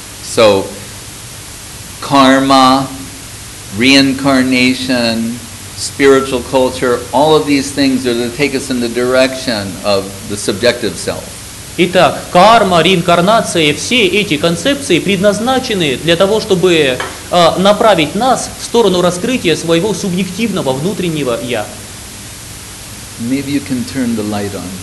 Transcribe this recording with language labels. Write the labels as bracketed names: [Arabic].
[English] So, karma, reincarnation, spiritual culture, all of these things are to take us in the direction of the subjective self. [Russian] Итак, карма, реинкарнация, все эти концепции предназначены для того, чтобы направить нас в сторону раскрытия своего субъективного внутреннего «я». [English] Maybe you can turn the light on.